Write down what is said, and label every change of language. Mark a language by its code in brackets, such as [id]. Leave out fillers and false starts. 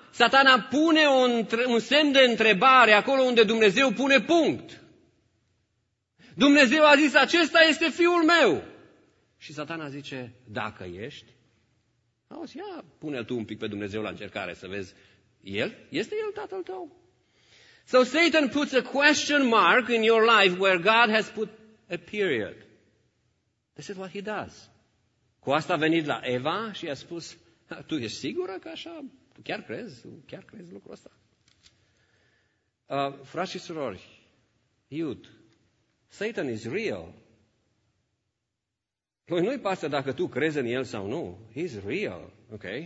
[ro] Satana pune un semn de întrebare acolo unde Dumnezeu pune punct. Dumnezeu a zis: acesta este Fiul meu. Și Satana zice: dacă ești. Auzi, ia, pune-l tu un pic pe Dumnezeu la încercare să vezi. El? Este El tatăl tău? [en] So Satan puts a question mark in your life where God has put a period. This is what he does. [ro] Cu asta a venit la Eva și a spus: tu ești sigură că așa? Tu chiar crezi? Tu chiar crezi lucrul ăsta? Frați și surori, [en] youth, Satan is real. [ro] Lui nu-i pasă dacă tu crezi în el sau nu. [en] He's real. [ro] Ok?